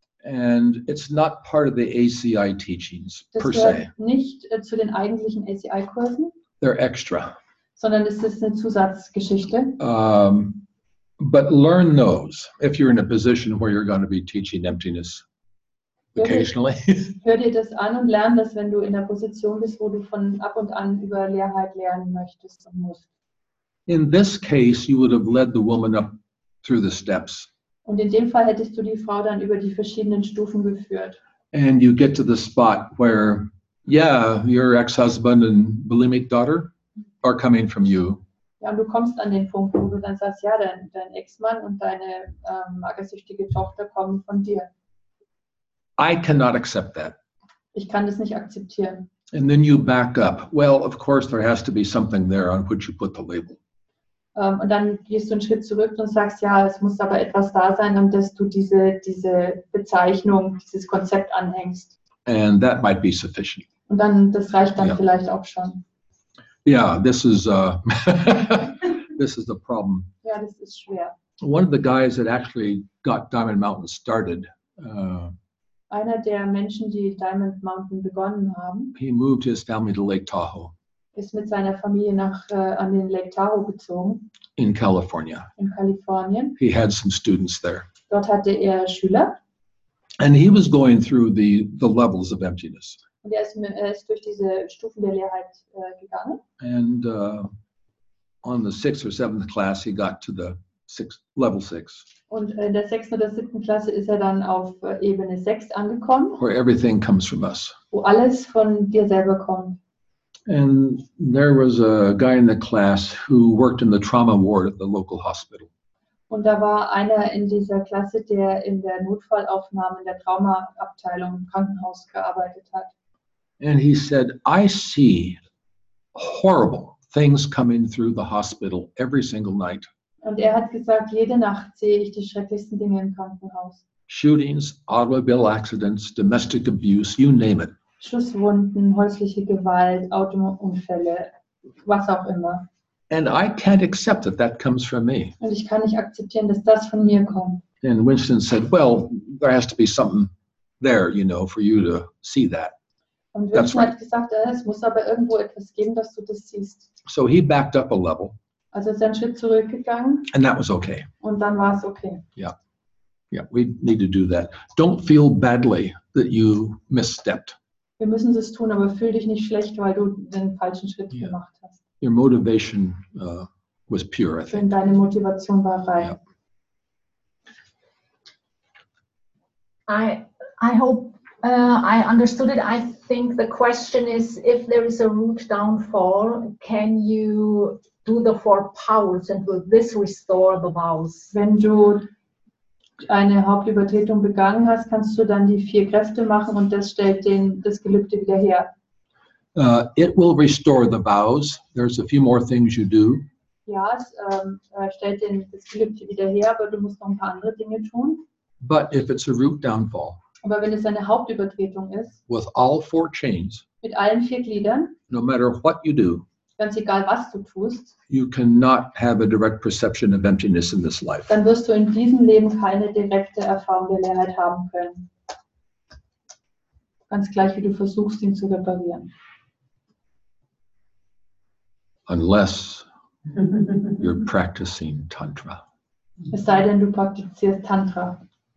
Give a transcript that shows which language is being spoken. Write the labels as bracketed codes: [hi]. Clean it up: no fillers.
[en] And it's not part of the ACI teachings [de] das [en] per se. [de] Nicht zu den eigentlichen ACI-Kursen. [en] They're extra. [de] Sondern es ist eine Zusatzgeschichte. [en] But learn those if you're in a position where you're going to be teaching emptiness. Occasionally. [de] Hör dir das an und lern das, wenn du in der Position bist, wo du von ab und an über Leerheit lernen möchtest und musst. [en] In this case, you would have led the woman up through the steps. [de] Und in dem Fall hättest du die Frau dann über die verschiedenen Stufen geführt. [en] And you get to the spot where, your ex-husband and bulimic daughter are coming from you. [de] Ja, und du kommst an den Punkt, wo du dann sagst, dein Ex-Mann und deine magersüchtige Tochter kommen von dir. [en] I cannot accept that. [de] Ich kann das nicht akzeptieren. [en] And then you back up. Well, of course, there has to be something there on which you put the label. [de] Und dann gehst du einen Schritt zurück und sagst, es muss aber etwas da sein, um dass du diese Bezeichnung, dieses Konzept anhängst. [en] And that might be sufficient. [de] Und dann, das reicht dann vielleicht auch schon. [en] Yeah, this is the problem. [de] Ja, das ist schwer. [en] One of the guys that actually got Diamond Mountain started, [de] einer der Menschen, die Diamond Mountain begonnen haben, [en] he moved his family to Lake Tahoe. [de] Ist mit seiner Familie nach an den Lake Tahoe gezogen. [en] In California. [de] In Kalifornien. [en] He had some students there. [de] Dort hatte er Schüler. [en] And he was going through the levels of emptiness. [de] Und er ist durch diese Stufen der Leerheit gegangen. [en] And on the 6th or 7th class, he got to the level 6. [de] Und in der 6. oder 7. Klasse ist er dann auf Ebene 6 angekommen. [en] Where everything comes from us. [de] Wo alles von dir selber kommt. [en] And there was a guy in the class who worked in the trauma ward at the local hospital. [de] Und da war einer in dieser Klasse, der in der Notfallaufnahme in der Traumaabteilung im Krankenhaus gearbeitet hat. [en] And he said, I see horrible things coming through the hospital every single night. [de] Und er hat gesagt, jede Nacht sehe ich die schrecklichsten Dinge im Krankenhaus. [en] Shootings, automobile accidents, domestic abuse, you name it. [de] Schusswunden, häusliche Gewalt, Autounfälle, was auch immer. [en] And I can't accept that that comes from me. [de] Und ich kann nicht akzeptieren, dass das von mir kommt. [en] And Winston said, well, there has to be something there, you know, for you to see that. [de] Und Winston hat gesagt, es muss aber irgendwo etwas geben, dass du das siehst. [en] So he backed up a level. [de] Also ist er einen Schritt zurückgegangen. [en] And that was okay. [de] Und dann war es okay. [en] Yeah. Yeah, we need to do that. Don't feel badly that you misstepped. [de] Wir müssen es tun, aber fühl dich nicht schlecht, weil du den falschen Schritt yeah. gemacht hast. [en] Your motivation was pure, I think. [de] Deine Motivation war rein. Yeah. [en] I hope I understood it. I think the question is, if there is a root downfall, can you do the four powers and will this restore the vows? [de] Wenn du eine Hauptübertretung begangen hast, kannst du dann die vier Kräfte machen und das stellt den das Gelübde wieder her. [en] It will restore the vows. There's a few more things you do. [de] Ja, es stellt den das Gelübde wieder her, aber du musst noch ein paar andere Dinge tun. [en] But if it's a root downfall. [de] Aber wenn es eine Hauptübertretung ist. [en] With all four chains. [de] Mit allen vier Gliedern. [en] No matter what you do. [de] Ganz egal, was du tust, [en] you cannot have a direct perception of emptiness in this life. [de] Dann wirst du in diesem Leben keine direkte Erfahrung der Leerheit haben können. Ganz gleich, wie du versuchst, ihn zu reparieren. [en] Unless you're practicing Tantra. [de] Es sei denn, du praktizierst Tantra.